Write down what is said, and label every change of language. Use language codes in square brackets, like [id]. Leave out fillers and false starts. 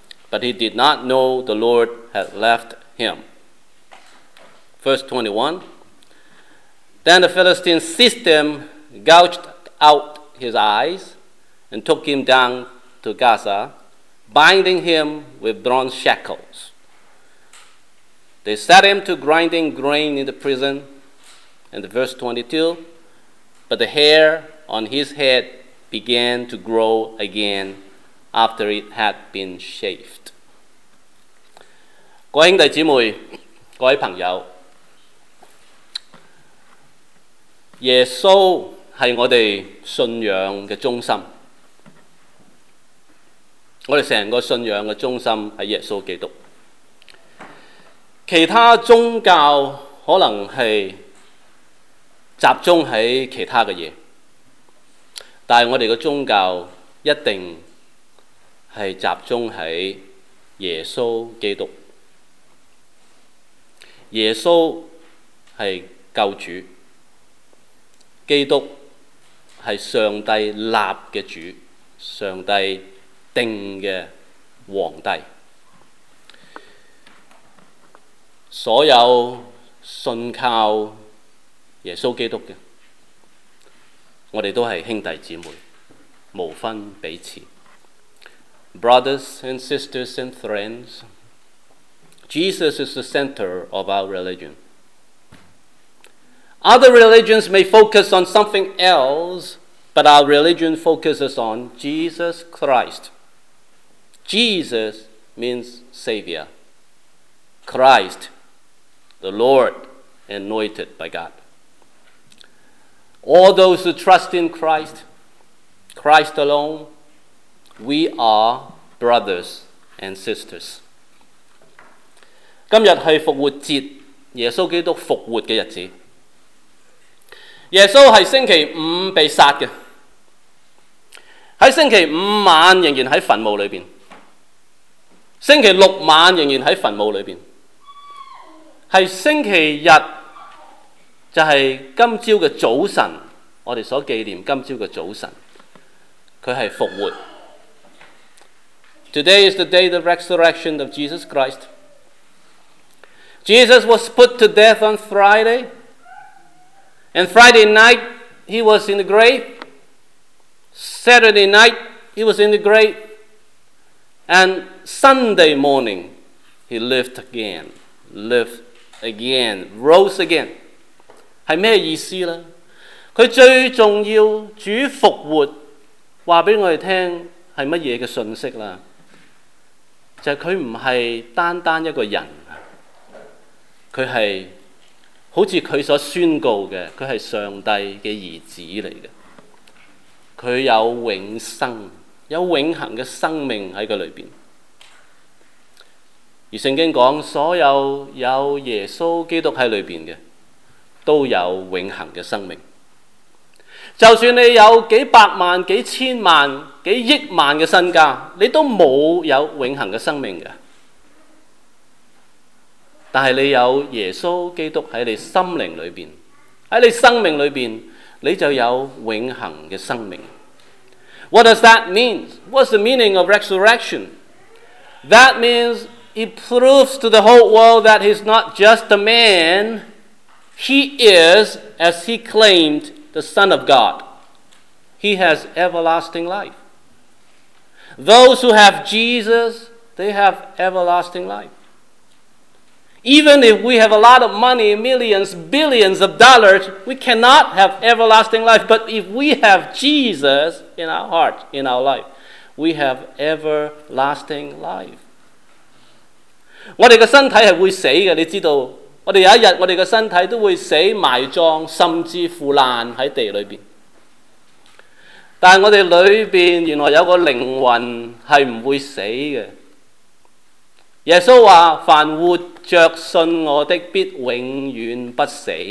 [en] But he did not know the Lord had left him. Verse 21, then the Philistines seized him, gouged out his eyes, and took him down to Gaza, binding him with bronze shackles. They set him to grinding grain in the prison. And verse 22, but the hair on his head began to grow again after it had been shaved. [zh] 各位兄弟姊妹，各位朋友，耶稣是我们信仰的中心，我们整个信仰的中心是耶稣基督。其他宗教可能是集中在其他的东西，但是我们的宗教一定是集中在耶稣基督。耶稣是救主，基督是上帝立的主，上帝定的皇帝。所有信靠耶稣基督的，我们都是兄弟姊妹，无分彼此。 [en] Brothers and sisters and friends, Jesus is the center of our religion. Other religions may focus on something else, but our religion focuses on Jesus Christ. Jesus means Savior. Christ, the Lord anointed by God. All those who trust in Christ, Christ alone, we are brothers and sisters. [zh] 今日是复活节，耶稣基督复活的日子。耶稣是星期五被杀的，在星期五晚仍然在坟墓里面。星期六晚仍然在坟墓里面，是星期日，就是今朝的早晨，我们所纪念今朝的早晨，他是复活。 [en] Today is the day the resurrection of Jesus Christ. Jesus was put to death on Friday, and Friday night he was in the grave. Saturday night he was in the grave, and Sunday morning he lived again, rose again. [zh] 是什么意思呢？他最重要主复活告诉我们是什么信息呢？就是他不是单单一个人，他是好像他所宣告的，他是上帝的儿子来的，他有永生，有永恒的生命在他里面。而圣经说，所有有耶稣基督在里面的都有永恒的生命。就算你有几百万、几千万、几亿万的身家，你都没有永恒的生命的。但是你有耶稣基督在你心灵里面，在你生命里面，你就有永恒的生命。 [en] What does that mean? What's the meaning of resurrection? That means he proves to the whole world that he's not just a man. He is, as he claimed, the Son of God. He has everlasting life. Those who have Jesus, they have everlasting life. Even if we have a lot of money, millions, billions of dollars, we cannot have everlasting life. But if we have Jesus in our heart, in our life, we have everlasting life. [zh] 我们的身体是会死的，你知道，我们有一天我们的身体都会死，埋葬，甚至腐烂在地里面。但我们里面原来有个灵魂是不会死的。耶稣说，凡活着信我的必永远不死。